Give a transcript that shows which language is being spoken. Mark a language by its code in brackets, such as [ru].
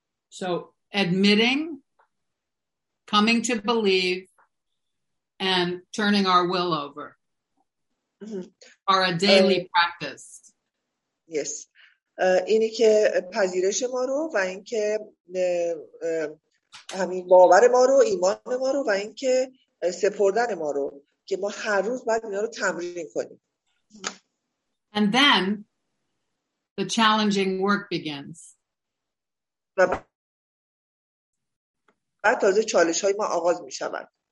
[en] So admitting, coming to believe, and turning our will over are a daily practice. Yes. [fa] اینی که پذیرش ما رو و این که همین باور ما رو ایمان ما رو و این که سپردن ما رو که ما هر روز باید اینا رو تمرین کنیم. [en] And then the challenging work begins. [fa] و بعد تازه چالش های ما آغاز می شود.